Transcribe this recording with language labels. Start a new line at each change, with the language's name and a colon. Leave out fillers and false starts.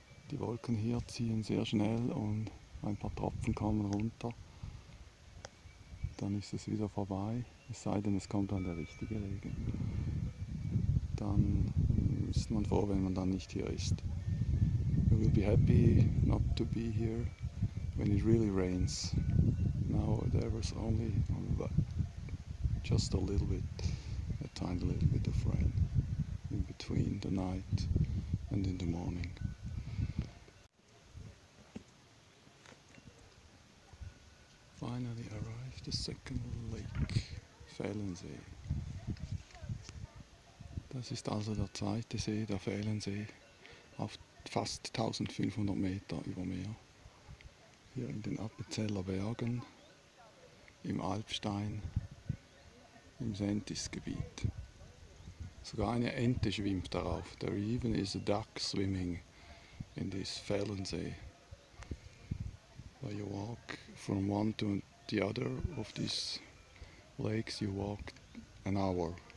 German: Die Wolken hier ziehen sehr schnell und ein paar Tropfen kommen runter. Dann ist es wieder vorbei, es sei denn, es kommt dann der richtige Regen. Dann ist man froh, wenn man dann nicht hier ist.
English: We will be happy not to be here when it really rains. Now there was only just a little bit. Find a little bit of rain in between the night and in the morning. Finally arrived the second lake, Fehlensee.
German: Das ist also der zweite See, der Fehlensee, auf fast 1500 Meter über Meer. Hier in den Appenzeller Bergen, im Alpstein, im Sentisgebiet. Sogar eine Ente schwimmt darauf.
English: There even is a duck swimming in this Fehlensee. Where you walk from one to the other of these lakes, you walk an hour.